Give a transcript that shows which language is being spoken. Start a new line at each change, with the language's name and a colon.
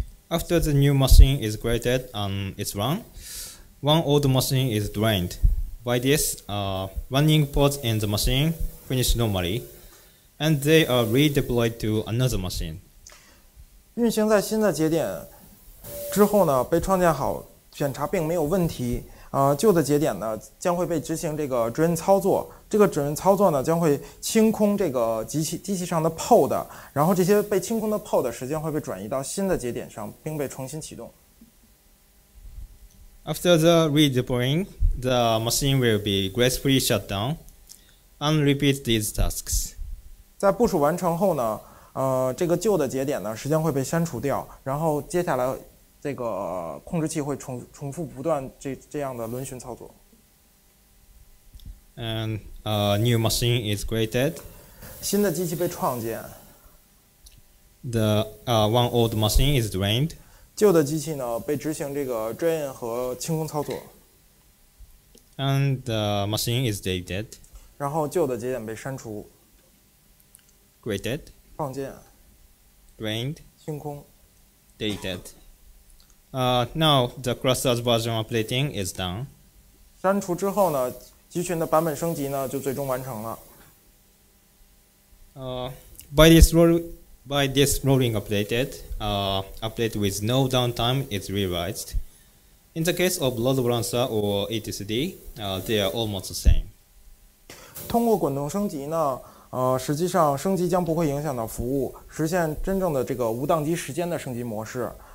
English: After the new machine is created and it's run, one old machine is drained. By this, running pods in the machine finish normally, and they are redeployed to another machine.
Chinese: 运行在新的节点之后呢，被创建好，检查并没有问题。旧的节点呢，将会被执行这个 drain 操作。这个 drain 操作呢，将会清空这个机器上的 pod， 然后这些被清空的 pod 时间会被转移到新的节点上，并被重新启动。
English: After the redeploying, the machine will be gracefully shut down and repeat these tasks.
Chinese: 在部署完成后呢？这个旧的节点呢，时间会被删除掉，然后接下来这个控制器会重复不断这样的轮循操作。
English: And a new machine is created.
Chinese: 新的机器被创建。
English: The one old machine is drained.
Chinese: 旧的机器呢被执行这个 drain 和清空操作。
English: And the machine is deleted.
Chinese: 然后旧的节点被删除。
English: Created.
Chinese: 创建
English: drained
Chinese: 清空
English: deleted now the cluster's version updating is done
Chinese: 删除之后呢集群的版本升级呢就最终完成了
English: by this by this rolling updated, update with no downtime is revised. In the case of load balancer or etcd, they are almost the same.
Chinese: 通过滚动升级呢，实际上升级将不会影响到服务，实现真正的这个无宕机时间的升级模式。